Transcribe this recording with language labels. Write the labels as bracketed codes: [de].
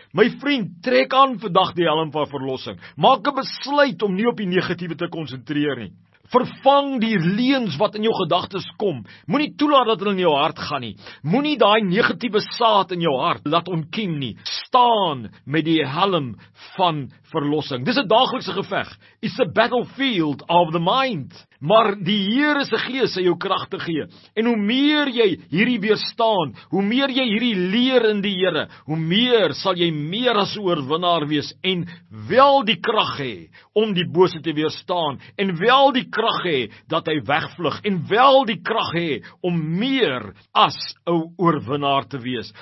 [af] My vriend, trek aan vandag die helm van verlossing, maak 'n besluit om nie op die negatiewe te konsentreer nie. Vervang die leuns wat in jou gedagtes kom. Moenie toelaat dat hulle in jou hart gaan nie. Moenie daai negatiewe saad in jou hart laat ontkiem nie. Staan met die helm van verlossing. Dis 'n daaglikse geveg. [en] It's a battlefield of the mind. [af] Maar die Here se Gees sal jou krag te gee. En hoe meer jy hierdie weerstaan, hoe meer jy hierdie leer in die Here, hoe meer sal jy meer as oorwinnaar wees en wel die krag hê om die bose te weerstaan en wel die krag hê dat hy wegvlug en wel die krag hê om meer as 'n oorwinnaar te wees.